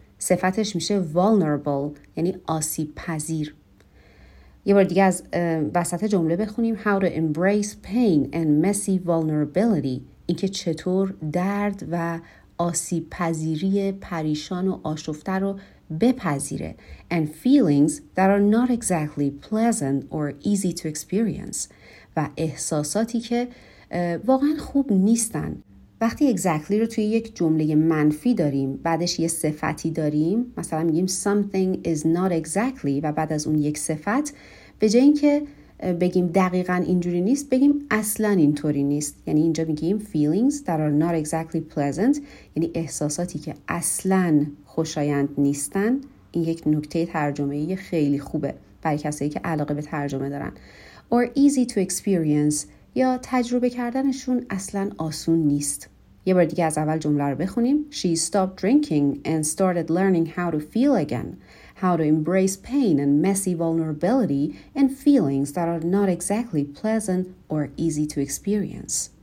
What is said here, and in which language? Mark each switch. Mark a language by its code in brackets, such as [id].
[fa] صفتش میشه vulnerable، یعنی آسیب پذیر. یه بار دیگه از وسط جمله بخونیم. [en] How to embrace pain and messy vulnerability. [fa] اینکه چطور درد و آسیب پذیری پریشان و آشفته رو بپذیره. [en] And feelings that are not exactly pleasant or easy to experience. [fa] و احساساتی که واقعا خوب نیستن. وقتی exactly رو توی یک جمله منفی داریم، بعدش یه صفتی داریم، مثلا میگیم [en] something is not exactly [fa] و بعد از اون یک صفت، به جای اینکه بگیم دقیقا اینجوری نیست، بگیم اصلا اینطوری نیست. یعنی اینجا میگیم [en] feelings that are not exactly pleasant، [fa] یعنی احساساتی که اصلا خوشایند نیستن. این یک نکته ترجمه‌ای خیلی خوبه برای کسایی که علاقه به ترجمه دارن. [en] Or easy to experience. [fa] یا تجربه کردنشون اصلا آسون نیست. یه بار دیگه از اول جمله رو بخونیم. [en] She stopped drinking and started learning how to feel again. How to embrace pain and messy vulnerability and feelings that are not exactly pleasant or easy to experience.